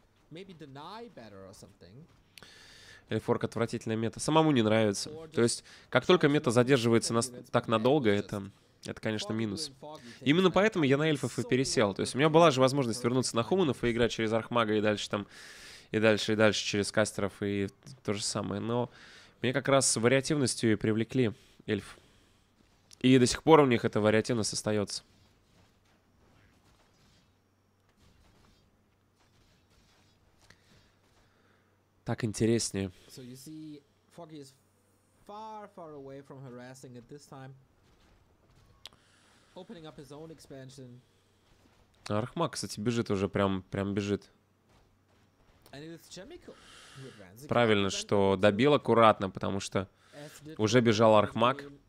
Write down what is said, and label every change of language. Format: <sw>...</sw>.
<en>Maybe deny better or something.</en> <ru>Эльфорк — отвратительная мета. Самому не нравится. То есть, как только мета задерживается нас так надолго, это, конечно, минус. Именно поэтому я на эльфов и пересел. То есть, у меня была же возможность вернуться на хуманов и играть через архмага и дальше там, и дальше через кастеров и то же самое. Но меня как раз вариативностью и привлекли эльф. И до сих пор у них эта вариативность остается. Так интереснее.</ru> <en>So you see, Foggy is far, far away from harassing at this time. Opening up his own expansion.</en> <ru>Архмаг, кстати, бежит уже, прям бежит.</ru> <en>And it is Chemical.</en> <ru>Правильно, что добил аккуратно, потому что уже бежал Архмаг.</ru>